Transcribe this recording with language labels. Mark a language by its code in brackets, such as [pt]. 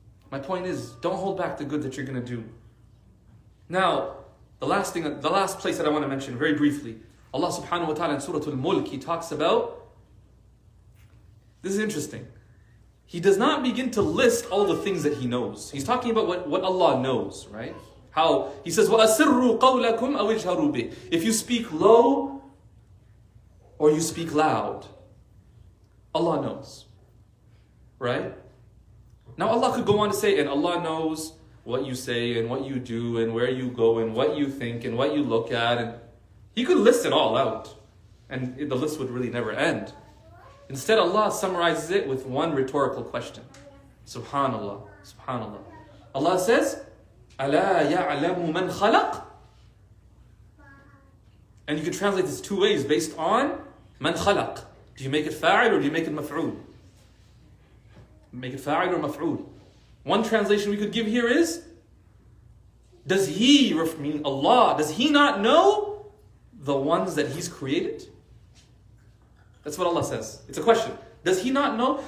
[en] My point is, don't hold back the good that you're going to do. Now, the last place that I want to mention very briefly, Allah subhanahu wa ta'ala in Surah Al-Mulk, He talks about, this is interesting, He does not begin to list all the things that He knows. He's talking about what Allah knows, right? How He says, [ar] وَأَسِرُّوا قَوْلَكُمْ أَوِجْهَرُوا بِهِ. [en] If you speak low or you speak loud, Allah knows, right? Now Allah could go on to say, and Allah knows what you say and what you do and where you go and what you think and what you look at. And He could list it all out, and the list would really never end. Instead, Allah summarizes it with one rhetorical question. [ar] Subhanallah, subhanallah. [en] Allah says, [ar] أَلَا يَعْلَمُ مَنْ خَلَقُ. [en] And you could translate this two ways based on [ar] مَنْ خَلَقُ. [en] Do you make it fa'il or do you make it maf'ul? Make it fa'il or maf'ul. One translation we could give here is, does He, meaning Allah, does He not know the ones that He's created? That's what Allah says. It's a question. Does He not know?